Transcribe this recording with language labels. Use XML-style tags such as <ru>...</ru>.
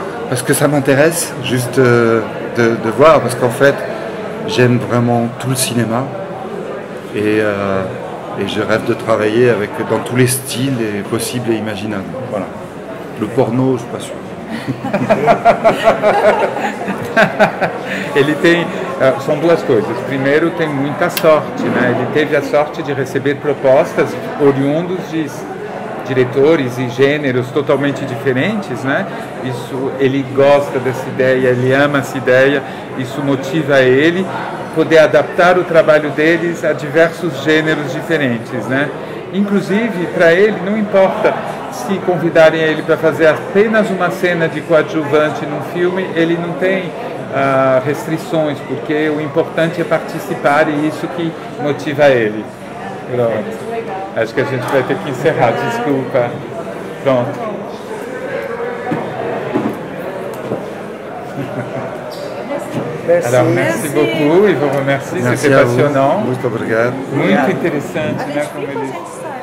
<fr>Parce que ça m'intéresse juste de voir, parce qu'en fait, j'aime vraiment tout le cinéma et je rêve de travailler avec, dans tous les styles possibles et imaginables. Voilà. Le porno, je ne suis pas sûr.</fr> <pt>Ele tem, são duas coisas. Primeiro, tem muita sorte, né? Ele teve a sorte de receber propostas oriundos de diretores e gêneros totalmente diferentes, né? Isso, ele gosta dessa ideia, ele ama essa ideia, isso motiva ele poder adaptar o trabalho deles a diversos gêneros diferentes, né? Inclusive, para ele, não importa se convidarem ele para fazer apenas uma cena de coadjuvante num filme, ele não tem restrições, porque o importante é participar e isso que motiva ele. Pronto. Acho que a gente vai ter que encerrar, desculpa. Pronto.</pt> <fr>Merci. Alors, merci beaucoup, et vous remercie, c'était passionnant.</fr> <pt>Muito obrigado. Muito interessante, né, como ele disse.</pt>